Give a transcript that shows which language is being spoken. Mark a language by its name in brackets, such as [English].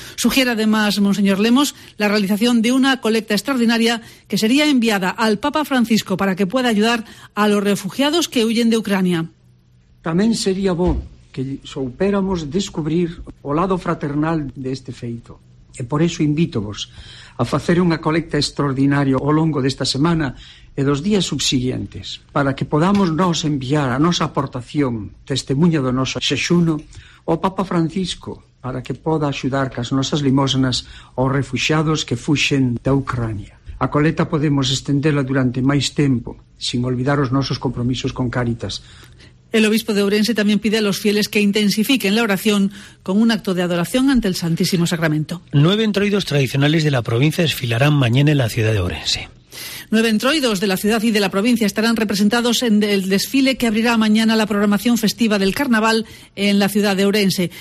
[Spanish] Sugiere además, Monseñor Lemos, la realización de una colecta extraordinaria que sería enviada al Papa Francisco para que pueda ayudar a los refugiados que huyen de Ucrania. [Galician] También sería bo que soupéramos descubrir o lado fraternal de este feito. E por eso invito vos a facer unha colecta extraordinaria ao longo desta semana e dos días subsiguientes, para que podamos nos enviar a nosa aportación, testemunha do noso xexuno, ao Papa Francisco, para que poda axudar cas nosas limosnas aos refuxiados que fuxen da Ucrania. A colecta podemos estendela durante máis tempo, sin olvidar os nosos compromisos con Cáritas. [Spanish] El obispo de Ourense también pide a los fieles que intensifiquen la oración con un acto de adoración ante el Santísimo Sacramento. 9 entroidos tradicionales de la provincia desfilarán mañana en la ciudad de Ourense. 9 entroidos de la ciudad y de la provincia estarán representados en el desfile que abrirá mañana la programación festiva del carnaval en la ciudad de Ourense.